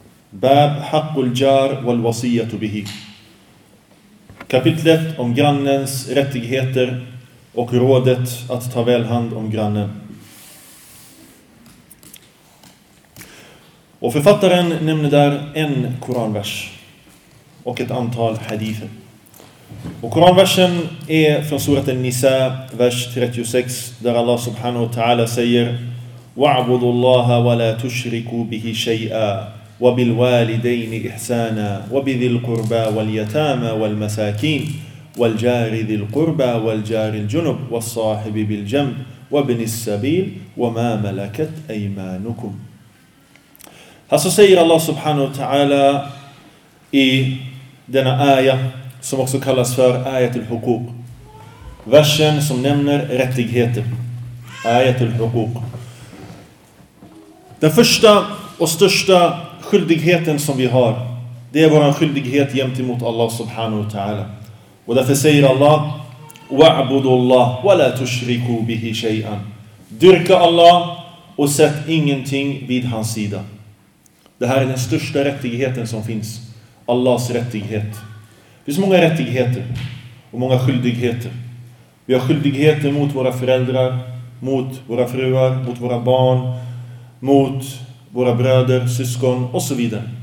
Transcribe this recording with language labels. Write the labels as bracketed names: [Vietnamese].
[Arabic] Bab haqqul jar wal wasiyatu bihi. [Swedish] Kapitlet om grannens rättigheter och rådet att ta väl hand om grannen. Och författaren nämner där en koranvers och ett antal hadither. Och koranversen är från surat An-Nisa, vers 36, där Allah subhanahu wa ta'ala säger: [Arabic] وَعْبُدُ اللَّهَ وَلَا تُشْرِكُوا بِهِ شَيْئًا وَبِالْوَالِدَيْنِ إِحْسَانًا وَبِذِي الْقُرْبَى وَالْيَتَامَى وَالْمَسَاكِينَ والجار ذي القربى والجار الجنب والصاحب بالجنب وابن السبيل وما ملكت أيمانكم. [Swedish] Så säger Allah subhanahu wa ta'ala i denna aya, som också kallas för ayatul huquq, versen som nämner rättigheter, ayatul huquq. Den första och största skyldigheten som vi har, det är vår skyldighet gentemot Allah subhanahu wa ta'ala. Och därför säger Allah: [Arabic] وَعْبُدُ اللَّهُ وَلَا تُشْرِكُوا بِهِ شَيْئًا. [Swedish] Dyrka Allah och sätt ingenting vid hans sida. Det här är den största rättigheten som finns. Allahs rättighet. Det finns många rättigheter och många skyldigheter. Vi har skyldigheter mot våra föräldrar, mot våra fruar, mot våra barn, mot våra bröder, syskon och så vidare.